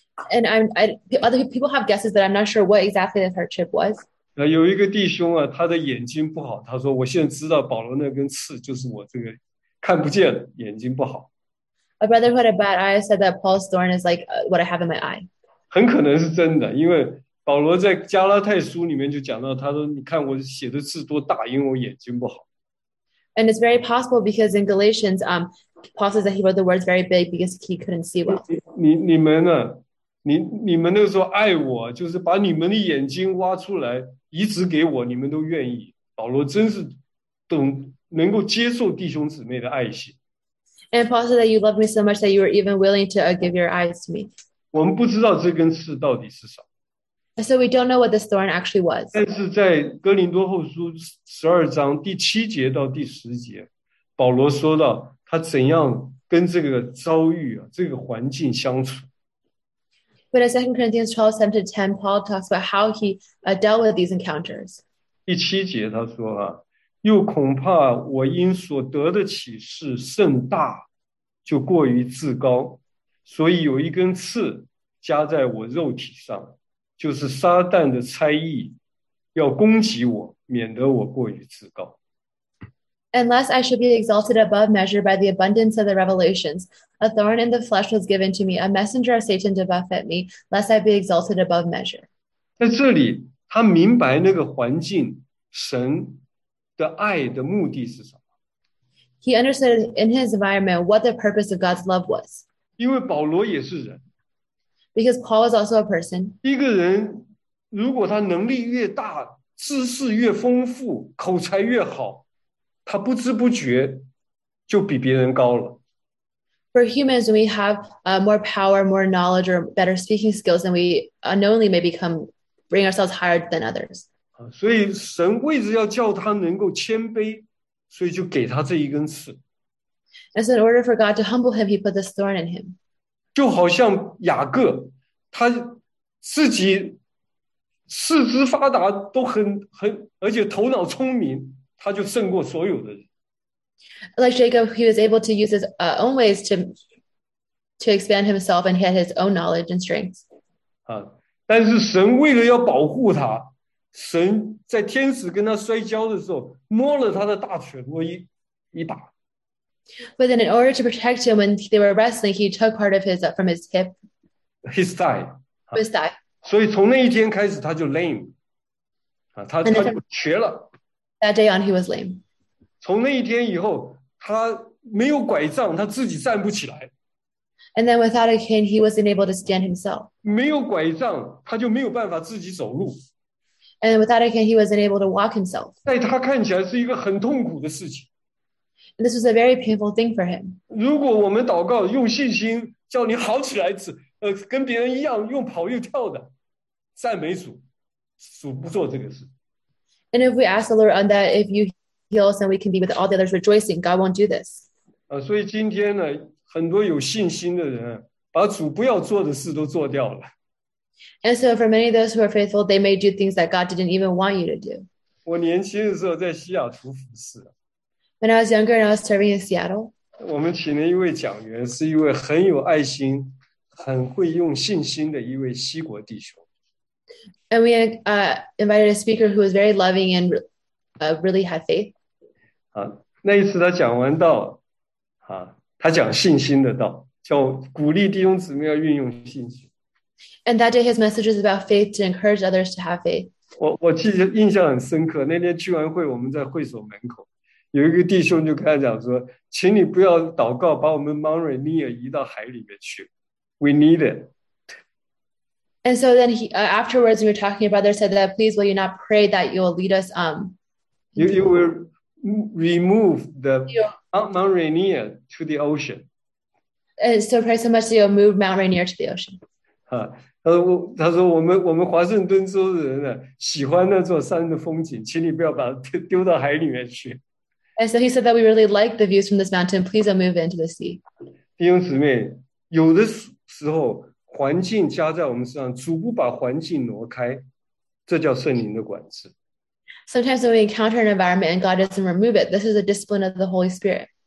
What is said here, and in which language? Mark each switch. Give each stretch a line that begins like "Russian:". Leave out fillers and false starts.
English: And other people have guesses, but I'm not sure what exactly the hardship was.
Chinese: 有一个弟兄啊，他的眼睛不好，他说我现在知道保罗那根刺就是我这个。看不见，眼睛不好。
English: A brother who had a bad eye said that Paul's thorn is like what I have in my eye.
Chinese: 很可能是真的，因为保罗在加拉太书里面就讲到，他说：“你看我写的字多大，因为我眼睛不好。”
English: And it's very possible because in Galatians, Paul says that he wrote the words very big because he couldn't see well.
Chinese: 你们呢？你们那个时候爱我，就是把你们的眼睛挖出来移植给我，你们都愿意。保罗真是懂。能够接受弟兄姊妹的爱心。
English: And Paul said that you love me so much that you were even willing to give your eyes to me.
Chinese: 我们不知道这根刺到底是什么。
English: So we don't know what this thorn actually was.
Chinese: 但是在哥林多后书十二章第七节到第十节，保罗说到他怎样跟这个遭遇啊，这个环境相处。
English: But in 2 Corinthians 12:7-10, Paul talks about how he dealt with these encounters.
Chinese: 第七节他说啊，又恐怕我因所得的启示甚大，就过于自高，所以有一根刺加在我肉体上，就是撒旦的差役要攻击我，免得我过于自高。
English: Unless I should be exalted above measure by the abundance of the revelations, a thorn in the flesh was given to me, a messenger of Satan to buffet me, lest I be exalted above measure.
Chinese: 在这里，他明白那个环境，神的爱的目的是什么？
English: He understood in his environment what the purpose of God's love was.
Chinese: 因为保罗也是人。
English: Because Paul was also a person.
Chinese: 一个人如果他能力越大，知识越丰富，口才越好，他不知不觉就比别人高了。
English: For humans, when we have more power, more knowledge, or better speaking skills, then we unknowingly may become, bring ourselves higher than others.
Chinese: 所以神为着要叫他能够谦卑，所以就给他这一根刺。
English: And so in order for God to humble him, he put this thorn in him.
Chinese: 就好像雅各，他自己四肢发达，都很，而且头脑聪明，他就胜过所有的人。
English: Like Jacob, he was able to use his own ways to expand himself, and he had his own knowledge and strengths.
Chinese: 但是神为了要保护他，神在天使跟他摔跤的时候，摸了他的大腿窝一把。
English: But then, in order to protect him when they were wrestling, he took part of his from his hip. His thigh. His thigh.
Chinese: 所以从那一天开始，他就 lame. 他就瘸了。
English: That day on, he was lame.
Chinese: 从那一天以后，他没有拐杖，他自己站不起来。
English: And then without a cane, he wasn't able to stand himself.
Chinese: 没有拐杖，他就没有办法自己走路。
English: And without a cane, he wasn't able to walk himself.
Chinese: 在他看起来是一个很痛苦的事情。
English: And this was a very painful thing for him.
Chinese: 如果我们祷告，用信心叫你好起来，跟别人一样用跑又跳的，赞美主，主不做这个事。
English: And if we ask the Lord on that, if youHeals, and we can be with all the others rejoicing. God won't do this.
Chinese: 所以今天呢，很多有信心的人，把主不要做的事都做掉了。
English: And so, for many of those who are faithful, they may do things that God didn't even want you to do.
Chinese: 我年轻的时候在西雅图服侍。
English: When I was younger, and I was serving in Seattle.
Chinese: 我们请了一位讲员，是一位很有爱心、很会用信心的一位西国弟兄。
English: And we invited a speaker who was very loving and. Really had faith.
Chinese: 那一次他讲完道，他讲信心的道，叫鼓励弟兄姊妹要运用信心。
English: And that day his message is about faith to encourage others to have faith.
Chinese: 我记得印象很深刻，那天聚完会我们在会所门口，有一个弟兄就跟他讲说，请你不要祷告把我们 Murray Near 移到海里面去。
English: We need it. And so then afterwards we were talking, your brother said that please will you not pray that you will lead us You will remove the Mount Rainier to the ocean. And so pray so much that you'll move Mount Rainier to the ocean.
Chinese: 他说我们华盛顿州的人呢，喜欢那座山的风景，请你不要把它丢到海里面去。
English: And so he said that we really like the views from this mountain. Please don't move into the sea.
Chinese: 弟兄姊妹，有的时候环境加在我们身上，主不把环境挪开，这叫圣灵的管制。
English: Sometimes when we encounter an environment and God doesn't remove it, this is a discipline of the Holy Spirit.